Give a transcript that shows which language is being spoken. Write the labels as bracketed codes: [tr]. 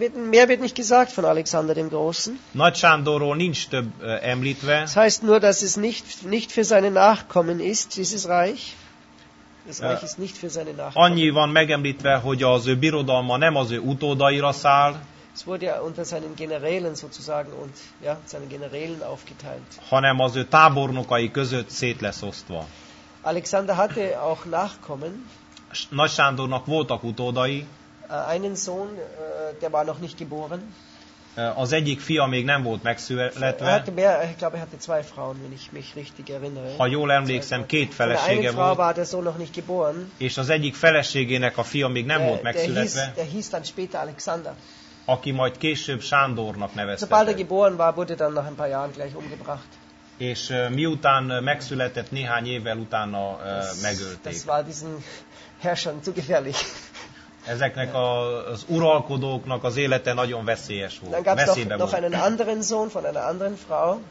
[de] Mehr wird nicht gesagt von Alexander dem Großen. [hu] Nagy Sándorról nincs több említve. [de] Das heißt nur, dass es nicht für seine Nachkommen ist, dieses Reich. Das Reich ist nicht für seine Nachkommen. [hu] Annyi van megemlítve, hogy az ő birodalma nem az ő utódaira száll. [de] Es wurde ja unter seinen Generälen sozusagen und ja, seinen Generälen aufgeteilt. [hu] Hanem az ő tábornokai között szét lesz osztva. [de] Alexander hatte auch Nachkommen. [hu] Nagy Sándornak voltak utódai. [de] Einen Sohn, der war noch nicht geboren. [hu] Az egyik fia még nem volt megszületve. [de] Hatte zwei Frauen, wenn ich mich richtig erinnere. [hu] Ha jól emlékszem, két felesége volt. [de] Eine Frau war der Sohn noch nicht geboren. [hu] És az egyik feleségének a fia még nem volt megszületve. [de] Der hieß dann später Alexander. [hu] Aki majd később Sándornak nevezte. [de] Sobald er geboren war, wurde dann nach ein paar Jahren gleich umgebracht. [hu] És miután megszületett, néhány évvel utána megölték. [de] Das war diesen Herrschern zu gefährlich. [hu] Ezeknek az uralkodóknak az élete nagyon veszélyes volt. [de] Noch einen anderen Sohn von einer anderen Frau.